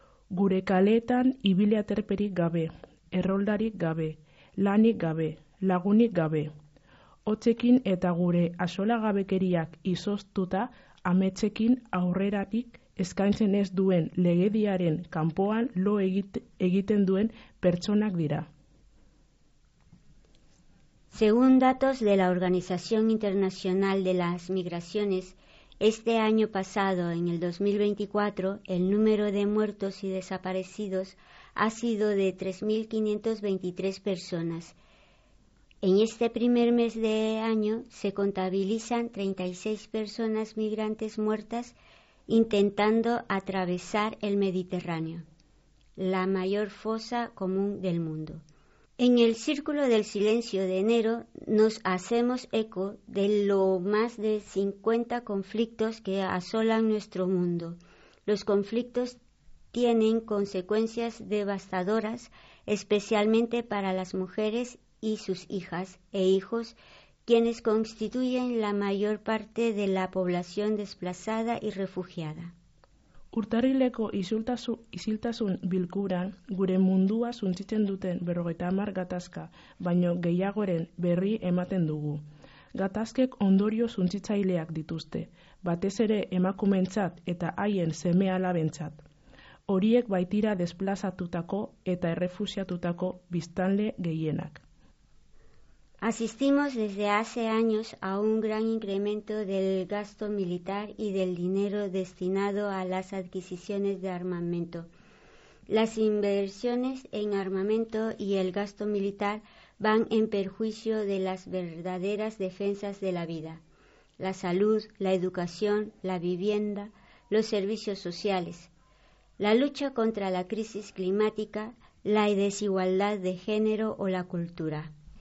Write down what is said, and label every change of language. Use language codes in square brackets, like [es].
[eu] Gure kaleetan ibile aterperik gabe, erroldarik gabe, lanik gabe, lagunik gabe. Hotzekin eta gure asolagabekeriak izoztuta, ametxekin aurreratik eskaintzen ez duen legediaren kanpoan lo egiten duen pertsonak dira. [es] Según datos de la Organización Internacional de las Migraciones, este año pasado, en el 2024, el número de muertos y desaparecidos ha sido de 3.523 personas. En este primer mes de año se contabilizan 36 personas migrantes muertas intentando atravesar el Mediterráneo, la mayor fosa común del mundo. En el Círculo del Silencio de enero nos hacemos eco de los más de 50 conflictos que asolan nuestro mundo. Los conflictos tienen consecuencias devastadoras, especialmente para las mujeres y sus hijas e hijos, quienes constituyen la mayor parte de la población desplazada y refugiada. [eu] Urtarrileko isiltasun bilkuran, gure mundua suntzitzen duten 50 gatazka, baino gehiagoren berri ematen dugu. Gatazkek ondorio suntzitzaileak dituzte, batez ere emakumentzat eta haien seme-alabentzat. Horiek baitira desplazatutako eta errefusiatutako biztanle gehienak. [es] Asistimos desde hace años a un gran incremento del gasto militar y del dinero destinado a las adquisiciones de armamento. Las inversiones en armamento y el gasto militar van en perjuicio de las verdaderas defensas de la vida, la salud, la educación, la vivienda, los servicios sociales, la lucha contra la crisis climática, la desigualdad de género o la cultura.